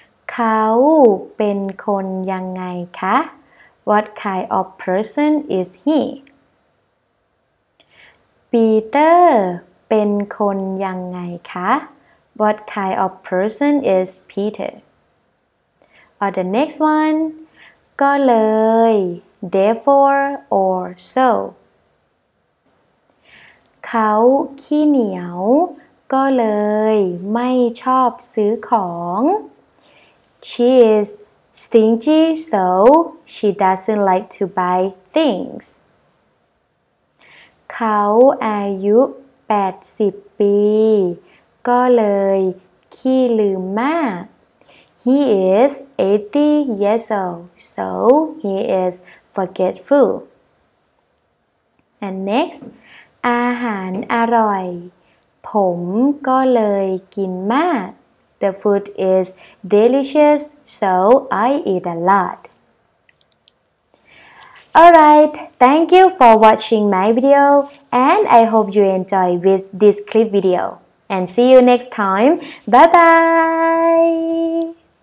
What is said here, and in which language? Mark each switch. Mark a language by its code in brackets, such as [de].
[th] เขาเป็นคนยังไงคะ [en] What kind of person is he? [th] ปีเตอร์เป็นคนยังไงคะ [en] What kind of person is Peter? Or the next one, ก็เลย, therefore, or so. [th] เขาขี้เหนียวก็เลยไม่ชอบซื้อของ. [en] She is stingy, so she doesn't like to buy things. [th] เขาอายุ 80 ปีก็เลยขี้ลืมมาก [en] He is 80 years old, so he is forgetful. And next, [th] อาหารอร่อยผมก็เลยกินมาก [en] The food is delicious, so I eat a lot. Alright, thank you for watching my video, and I hope you enjoy with this clip video.And see you next time. Bye-bye!